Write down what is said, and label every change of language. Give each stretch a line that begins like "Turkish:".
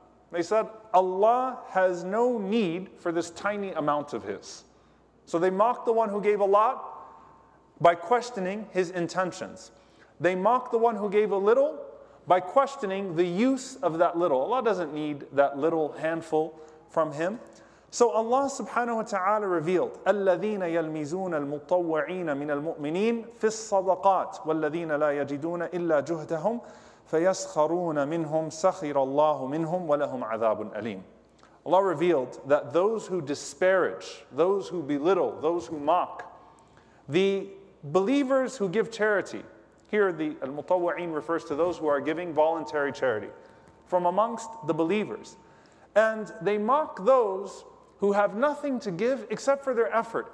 English: They said, Allah has no need for this tiny amount of his. So they mocked the one who gave a lot by questioning his intentions. They mocked the one who gave a little by questioning the use of that little. Allah doesn't need that little handful from him. So Allah subhanahu wa ta'ala revealed,
Arabic: الَّذِينَ يَلْمِزُونَ الْمُطَّوَّعِينَ مِنَ الْمُؤْمِنِينَ فِي الصَّدَقَاتِ وَالَّذِينَ لَا يَجِدُونَ إِلَّا جُهْدَهُمْ فَيَسْخَرُونَ مِنْهُمْ سَخِرَ اللَّهُ مِنْهُمْ وَلَهُمْ عَذَابٌ أَلِيمٌ.
English: Allah revealed that those who disparage, those who belittle, those who mock, the believers who give charity, here the al-mutawwa'een refers to those who are giving voluntary charity from amongst the believers. And they mock those who have nothing to give except for their effort.